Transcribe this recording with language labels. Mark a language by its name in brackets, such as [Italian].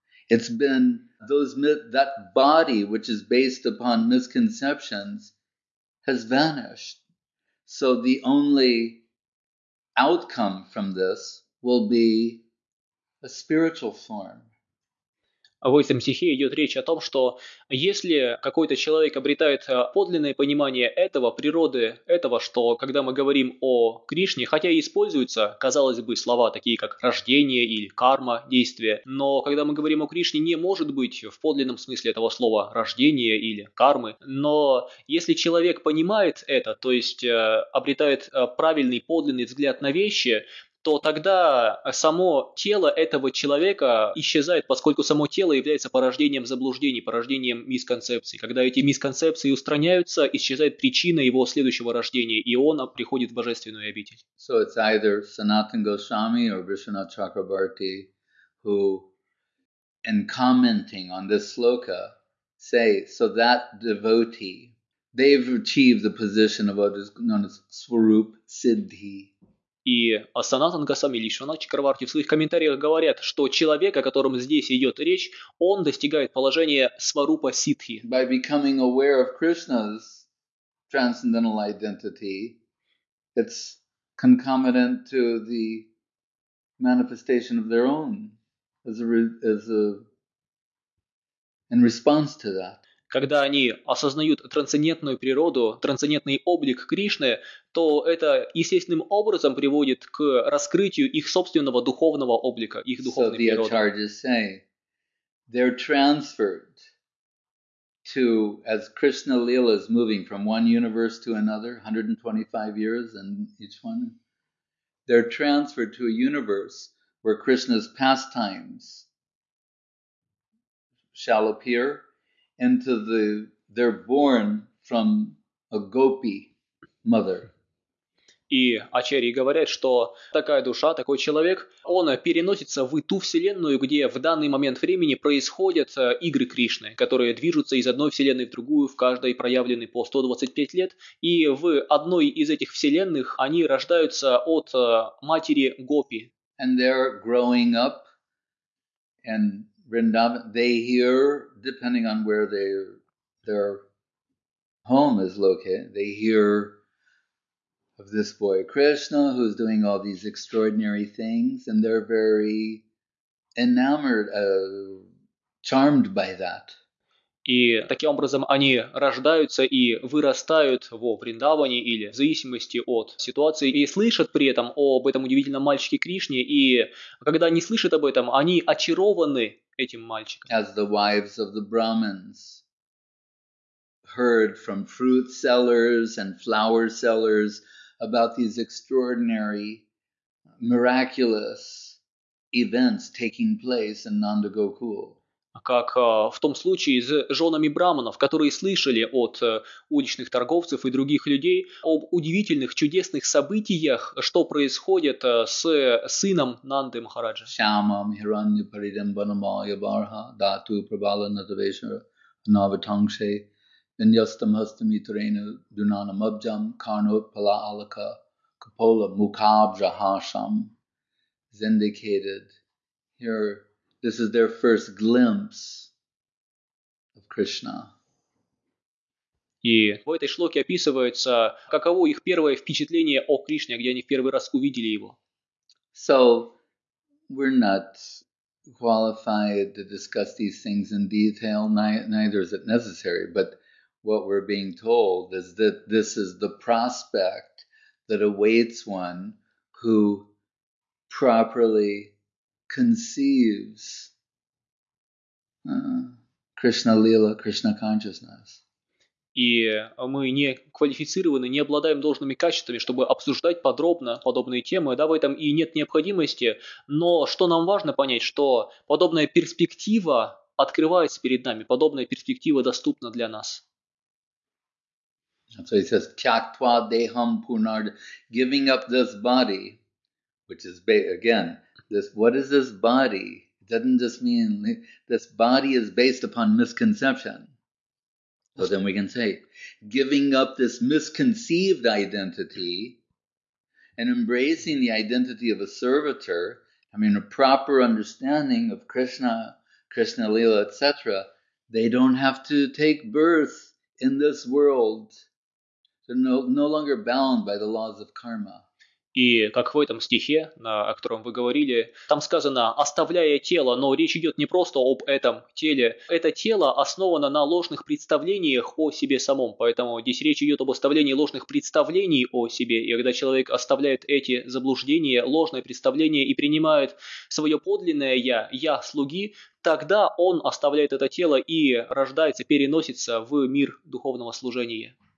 [English] It's been that body which is based upon misconceptions has vanished. So the only outcome from this will be a spiritual form. [Russian] В этом стихе идет речь о том, что если какой-то человек обретает подлинное понимание этого, природы этого, что когда мы говорим о Кришне, хотя и используются, казалось бы, слова такие как рождение или карма, действие, но когда мы говорим о Кришне, не может быть в подлинном смысле этого слова рождение или кармы, но если человек понимает это, то есть обретает правильный, подлинный взгляд на вещи, то тогда само тело этого человека исчезает, поскольку само тело является порождением заблуждений, порождением мисконцепций. Когда эти мисконцепции устраняются, исчезает причина его следующего рождения, и он приходит в божественную обитель. [English] So it's either Sanatan Goswami or Vishwanath Chakrabarti who, in commenting on this sloka, say, so that devotee, they've achieved the position of what is known as Swarup Siddhi. [Russian] И Санатан Госвами или Вишванат Чакраварти в своих комментариях говорят, что человек, о котором здесь идет речь, он достигает положения сварупа сиддхи. [English] By becoming aware of Krishna's transcendental identity, it's concomitant to the manifestation of their own in response to that. [Russian] Когда они осознают трансцендентную природу, трансцендентный облик Кришны, то это естественным образом приводит к раскрытию их собственного духовного облика, их духовной природы. [English] So the acharyas say, they're transferred to, as Krishna Leela is moving from one universe to another, 125 years in each one, they're transferred to a universe where Krishna's pastimes shall appear. Into the, they're born from a gopi mother. [Russian] И ачарьи говорят, что такая душа, такой человек, он переносится в ту вселенную, где в данный момент времени происходят игры Кришны, которые движутся из одной вселенной в другую, в каждой проявленной по 125 лет. И в одной из этих вселенных они рождаются от матери гопи. [English] And they're growing up and Vrindavan, they hear, depending on where their home is located, they hear of this boy Krishna who's doing all these extraordinary things, and they're very enamored, charmed by that. [Russian] И таким образом они рождаются и вырастают во Вриндаване или в зависимости от ситуации и слышат при этом об этом удивительном мальчике Кришне, и когда они слышат об этом, они очарованы этим мальчиком. [English] As the wives of the Brahmins heard from fruit sellers and flower sellers about these extraordinary, miraculous events taking place in Nanda Gokul. [Russian] Как в том случае с женами браманов, которые слышали от уличных торговцев и других людей об удивительных, чудесных событиях, что происходит с сыном Нанды Махараджа. [Sanskrit] Шамам хираньяпаридам банамая барха дату прабала надавеша навитангше виньястам хастамитрена дунанам абджам карнот пала алака капола мукабжа хашам [English] is indicated here. This is their first glimpse of Krishna. [Russian] И в этой шлоке описывается, каково их первое впечатление о Кришне, где они в первый раз увидели его. [English] So, we're not qualified to discuss these things in detail, neither is it necessary, but what we're being told is that this is the prospect that awaits one who properly conceives Krishna Lila, Krishna consciousness. [Russian] И мы не квалифицированы, не обладаем должными качествами, чтобы обсуждать подробно подобные темы, да, в этом и нет необходимости, но что нам важно понять, что подобная перспектива открывается перед нами, подобная перспектива доступна для нас. [English] So he says, [Sanskrit] Tyaktva deham punard, [English] giving up this body, which is, again, this, what is this body? It doesn't just mean this body is based upon misconception. So then we can say, giving up this misconceived identity and embracing the identity of a servitor, I mean, a proper understanding of Krishna, Krishna Lila, etc., they don't have to take birth in this world. They're no longer bound by the laws of karma. [Russian] И как в этом стихе, о котором вы говорили, там сказано «оставляя тело», но речь идет не просто об этом теле. Это тело основано на ложных представлениях о себе самом, поэтому здесь речь идет об оставлении ложных представлений о себе. И когда человек оставляет эти заблуждения, ложные представления и принимает свое подлинное «я», «я слуги», тогда он оставляет это тело и рождается, переносится в мир духовного служения.